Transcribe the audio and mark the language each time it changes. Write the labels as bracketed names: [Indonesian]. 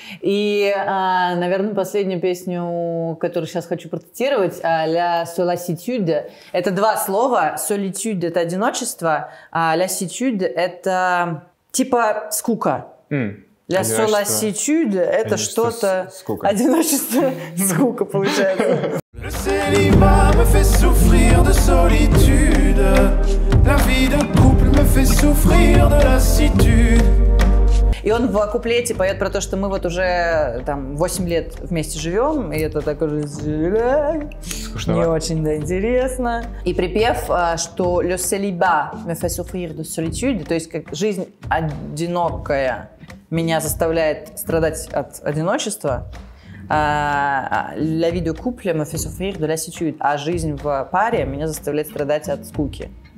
[Russian] И, наверное, последнюю песню, которую сейчас хочу процитировать, «La solitude». Это два слова. «Solitude» — это одиночество, а «La solitude» — это типа скука. «La solitude» — это что-то... Скука. Одиночество — скука, получается. [French] Le célibat me fait souffrir de solitude. La vie d'un couple me fait souffrir de lassitude. [Russian] И он в куплете поет про то, что мы вот уже там 8 лет вместе живем, и это так уже скучно. Не очень, да, интересно. И припев, что [French] «le célibat me fait souffrir de solitude», [Russian] то есть как «жизнь одинокая меня заставляет страдать от одиночества», [French] «la vie de couple me fait souffrir de lassitude», [Russian] а «жизнь в паре меня заставляет страдать от скуки».